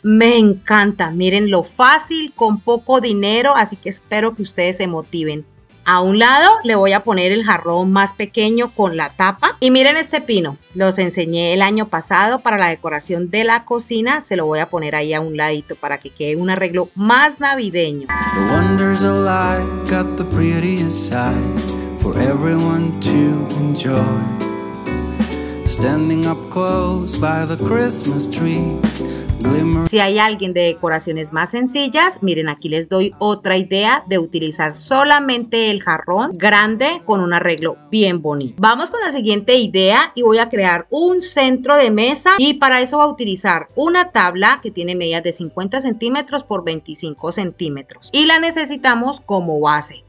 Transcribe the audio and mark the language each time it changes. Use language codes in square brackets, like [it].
[es] Me encanta. Miren lo fácil, con poco dinero. Así que espero que ustedes se motiven. A un lado le voy a poner el jarrón más pequeño con la tapa. Y miren este pino. Los enseñé el año pasado para la decoración de la cocina. Se lo voy a poner ahí a un ladito para que quede un arreglo más navideño. [en] The wonders of life got the prettiest side for everyone to enjoy. Standing up close by the Christmas tree. [es] Si hay alguien de decoraciones más sencillas, miren, aquí les doy otra idea de utilizar solamente el jarrón grande con un arreglo bien bonito. Vamos con la siguiente idea y voy a crear un centro de mesa, y para eso voy a utilizar una tabla que tiene medidas de 50 centímetros por 25 centímetros y la necesitamos como base.